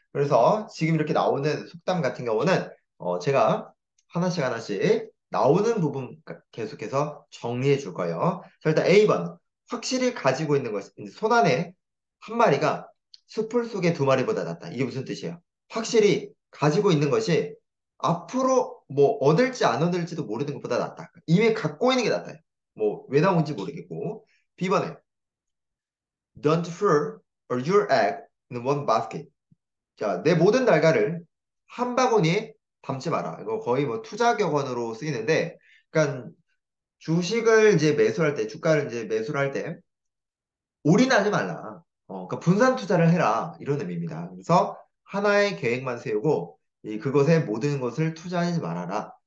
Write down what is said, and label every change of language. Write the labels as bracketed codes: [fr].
[ko] 그래서 지금 이렇게 나오는 속담 같은 경우는 제가 하나씩 하나씩 나오는 부분 계속해서 정리해 줄 거예요. 자, 일단 A번. 확실히 가지고 있는 것, 손 안에 한 마리가 수풀 속에 두 마리보다 낫다. 이게 무슨 뜻이에요? 확실히 가지고 있는 것이 앞으로 뭐 얻을지 안 얻을지도 모르는 것보다 낫다. 이미 갖고 있는 게 낫다. 뭐왜 나온지 모르겠고. B번에 [en] Don't throw your egg in one basket. [ko] 자, 내 모든 날가를 한 바구니에 담지 마라. 이거 거의 뭐 투자 격언으로 쓰이는데, 그러니까 주식을 이제 매수할 때, 주가를 이제 매수할 때 올인하지 말라. 그러니까 분산 투자를 해라. 이런 의미입니다. 그래서 하나의 계획만 세우고 그것에 모든 것을 투자하지 말아라.